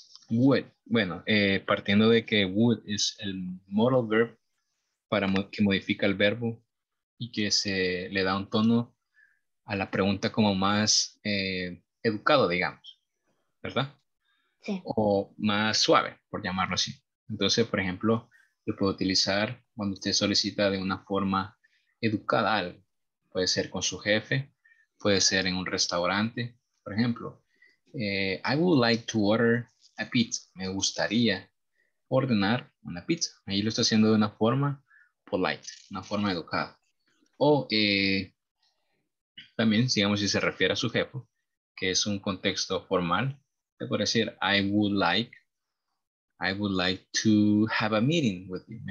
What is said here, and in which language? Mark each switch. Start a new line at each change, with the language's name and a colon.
Spanish: Would, bueno, partiendo de que would es el modal verb, para que modifica el verbo y que se le da un tono a la pregunta como más educado, digamos, ¿verdad? sí, o más suave, por llamarlo así. Entonces, por ejemplo, lo puedo utilizar cuando usted solicita de una forma educada algo. Puede ser con su jefe, puede ser en un restaurante. Por ejemplo,
English: I would like to order a pizza.
Spanish: Me gustaría ordenar una pizza. Ahí lo estoy haciendo de una forma polite, una forma educada. O también, digamos, si se refiere a su jefe, que es un contexto formal, te puede decir,
English: I would like to have a meeting with you.